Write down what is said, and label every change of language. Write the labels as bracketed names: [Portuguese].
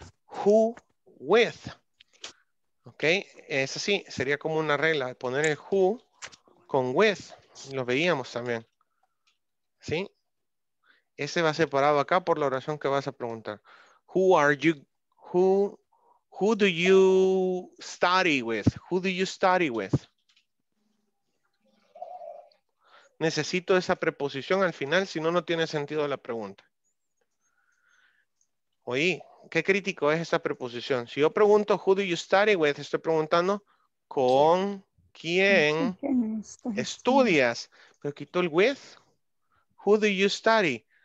[English] Who with? [Spanish] Ok, es así, sería como una regla, poner el who con with, lo veíamos también, ¿sí? Ese va separado acá por la oración que vas a preguntar. [English] Who are you, who do you study with? Who do you study with? [Spanish] Necesito esa preposición al final, si no, no tiene sentido la pregunta. Oí. ¿Qué crítico es esta preposición? Si yo pregunto, [English] who do you study with? [Spanish] Estoy preguntando, ¿con quién estudias? Pero quito el with. [English] Who do you study?